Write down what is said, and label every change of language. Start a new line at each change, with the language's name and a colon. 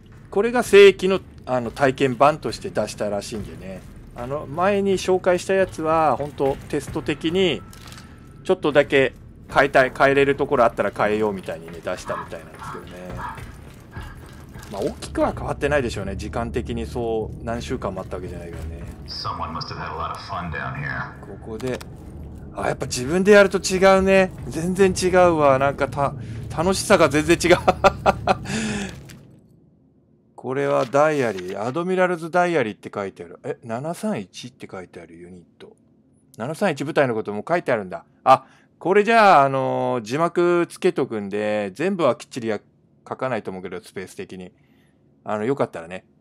Japanese: これが正規の、体験版として出したらしいんでね。前に紹介したやつは、本当テスト的に、ちょっとだけ変えれるところあったら変えようみたいにね、出したみたいなんですけどね。まあ、大きくは変わってないでしょうね。時間的にそう、何週間もあったわけじゃないけどね。
English: Someone must have had a lot of fun down here.
Japanese: ここで、あ、やっぱ自分でやると違うね。全然違うわ。なんか楽しさが全然違う。これはダイアリー。アドミラルズダイアリーって書いてある。731って書いてあるユニット。 731部隊のことも書いてあるんだ。あ、これじゃあ、字幕つけとくんで、全部はきっちり書かないと思うけど、スペース的に。よかったらね。